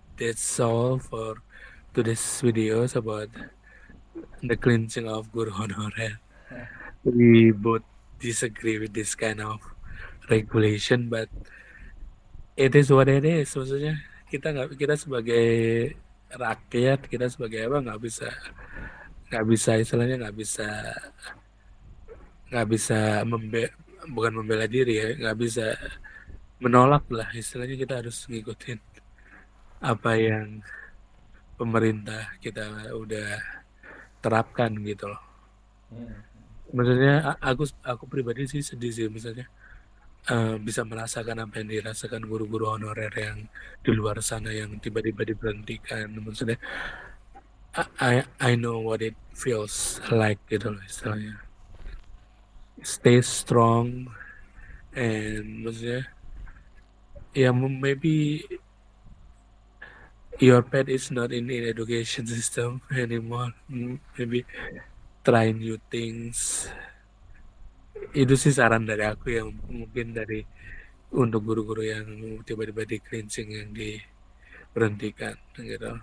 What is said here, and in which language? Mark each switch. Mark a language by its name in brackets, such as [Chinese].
[English] That's all for today's video about the clinching of guru honorer. We both disagree with this kind of regulation, but it is what it is. [Indonesian] Maksudnya kita nggak, kita sebagai rakyat, kita sebagai apa, nggak bisa, istilahnya nggak bisa, bukan membela diri ya, nggak bisa menolak lah, istilahnya kita harus ngikutin apa yang pemerintah kita udah terapkan gitu loh. Maksudnya aku pribadi sih sedih sih, misalnya bisa merasakan apa yang dirasakan guru-guru honorer yang di luar sana yang tiba-tiba diberhentikan. Maksudnya [English] I know what it feels like [Indonesian] gitu loh, istilahnya [English] stay strong. And [Indonesian] maksudnya ya, [English] maybe your pet is not in the education system anymore. Maybe try new things. [Indonesian] Itu sih saran dari aku yang mungkin dari untuk guru-guru yang tiba-tiba di clinching yang diberhentikan gitu.